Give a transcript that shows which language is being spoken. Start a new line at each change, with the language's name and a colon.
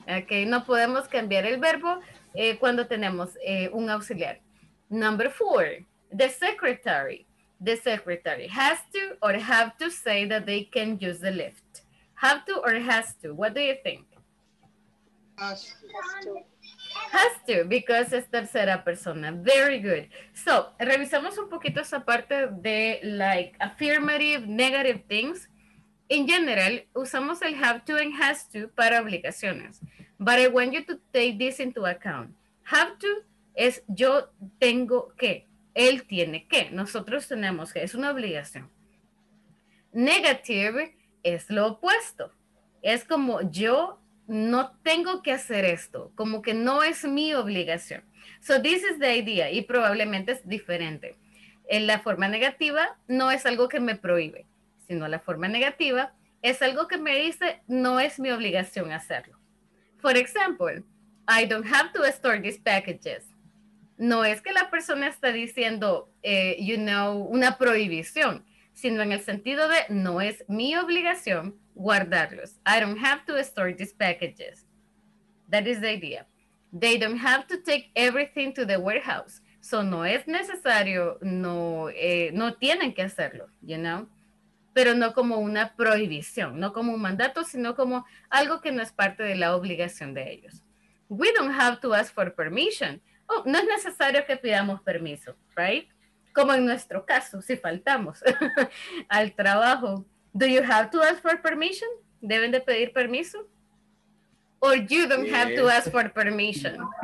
Spanish: Okay, no podemos cambiar el verbo cuando tenemos un auxiliar.
English: Number four, the secretary. The secretary has to or have to say that they can use the lift. Have to or has to? What do you think? Has to,
Spanish: because es tercera persona.
English: Very good. So,
Spanish: revisamos un poquito esa parte de
English: like affirmative, negative things.
Spanish: In general, usamos el have to and has to para obligaciones.
English: But I want you to take this into account.
Spanish: Have to es yo tengo que. Él tiene que. Nosotros tenemos que. Es una obligación. Negative es lo opuesto. Es como yo no tengo que hacer esto. Como que no es mi obligación.
English: So this is the idea.
Spanish: Y probablemente es diferente. En la forma negativa no es algo que me prohíbe. Sino la forma negativa es algo que me dice no es mi obligación hacerlo.
English: For example, I don't have to store these packages.
Spanish: No es que la persona está diciendo, una prohibición, sino en el sentido de no es mi obligación guardarlos.
English: I don't have to store these packages. That is the idea. They don't have to take everything to the warehouse.
Spanish: So no es necesario, no tienen que hacerlo,
English: you know.
Spanish: Pero no como una prohibición, no como un mandato, sino como algo que no es parte de la obligación de ellos.
English: We don't have to ask for permission. Oh,
Spanish: no es necesario que pidamos permiso,
English: right?
Spanish: Como en nuestro caso, si faltamos al trabajo.
English: Do you have to ask for permission?
Spanish: ¿Deben de pedir permiso?
English: Or you don't have to ask for permission?